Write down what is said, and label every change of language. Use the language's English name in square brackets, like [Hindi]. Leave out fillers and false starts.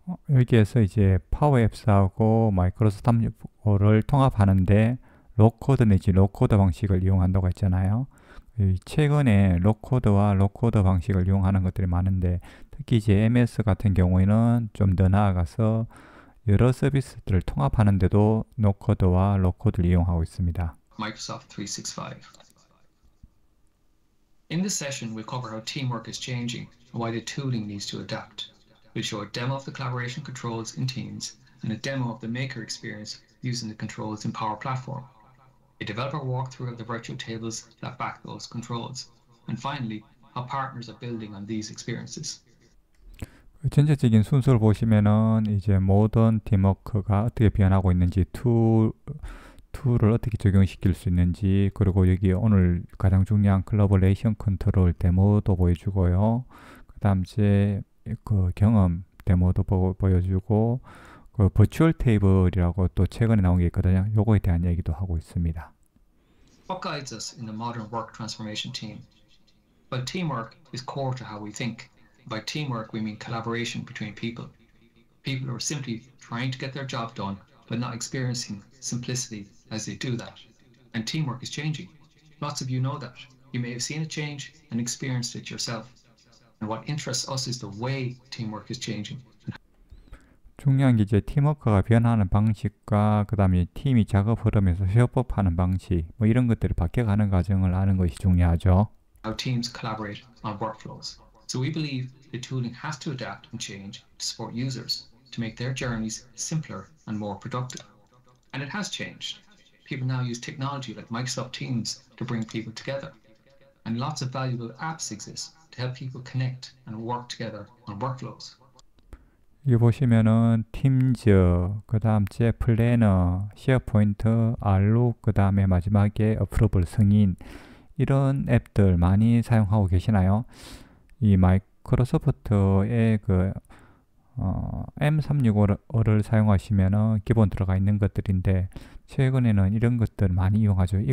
[Korean] 여기에서 이제 파워앱스하고 마이크로소프트 365를 통합하는데 로코드 내지 로코드 방식을 이용한다고 했잖아요. 최근에 로코드와 로코드 방식을 이용하는 것들이 많은데 특히 이제 MS 같은 경우에는 좀더 나아가서 여러 서비스들을 통합하는데도 노코드와 로코드를 이용하고 있습니다. [English] Microsoft 365. In this session, we'll cover how teamwork is changing and why the tooling needs to adapt. We'll show a demo of the collaboration controls in Teams and a demo of the maker experience using the controls in Power Platform, a developer walkthrough of the virtual tables that back those controls, and finally, how partners are building on these experiences. [Korean] 전체적인 순서를 보시면은 이제 모든 팀워크가 어떻게 변하고 있는지 툴을 어떻게 적용시킬 수 있는지 그리고 여기 오늘 가장 중요한 콜라보레이션 컨트롤 데모도 보여주고요. 그다음 이제 그 경험 데모도 보여주고 그 버추얼 테이블이라고 또 최근에 나온 게 있거든요. 요거에 대한 얘기도 하고 있습니다. [English] What guides us in the modern work transformation team? Well, teamwork is core to how we think. By teamwork, we mean collaboration between people. People who are simply trying to get their job done, but not experiencing simplicity as they do that. And teamwork is changing. Lots of you know that. You may have seen a change and experienced it yourself. And what interests us is the way teamwork is changing. [Korean] 중요한 게 이제 팀워크가 변하는 방식과 그 다음에 팀이 작업 흐름에서 협업하는 방식 뭐 이런 것들이 바뀌어 가는 과정을 아는 것이 중요하죠. [English] How teams collaborate on workflows. So we believe the tooling has to adapt and change to support users to make their journeys simpler and more productive. And it has changed. People now use technology like Microsoft Teams to bring people together. And lots of valuable apps exist to help people connect and work together on workflows. [Korean] 여기 보시면은 팀즈, 그 다음 이제 플래너, 쉐어포인트, 알록, 그 다음에 마지막에 어프로벌 승인 이런 앱들 많이 사용하고 계시나요? 이 마이크로소프트의 그 M365를 사용하시면은 기본 들어가 있는 것들인데 최근에는 이런 것들 많이 이용하죠.